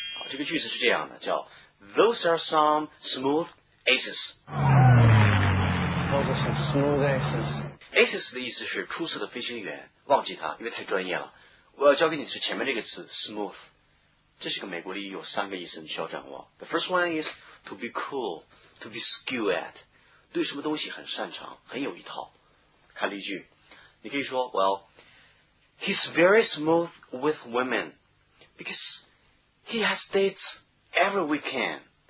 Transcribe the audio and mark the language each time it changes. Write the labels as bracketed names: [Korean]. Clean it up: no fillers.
[Chinese] 这个句子是这样的, 叫, [English] Those are some smooth asses. Those are some smooth asses. [Chinese] Aces 的意思是出色的飞行员,忘记他,因为太专业了。我要教给你的是前面这个词, smooth. 这是个美国俚语,有三个意思,你需要掌握。 [English] The first one is to be cool, to be skilled at. [Chinese] 对什么东西很擅长,很有一套。看例句, 你可以说, well, [English] he's very smooth with women, because he has dates every weekend.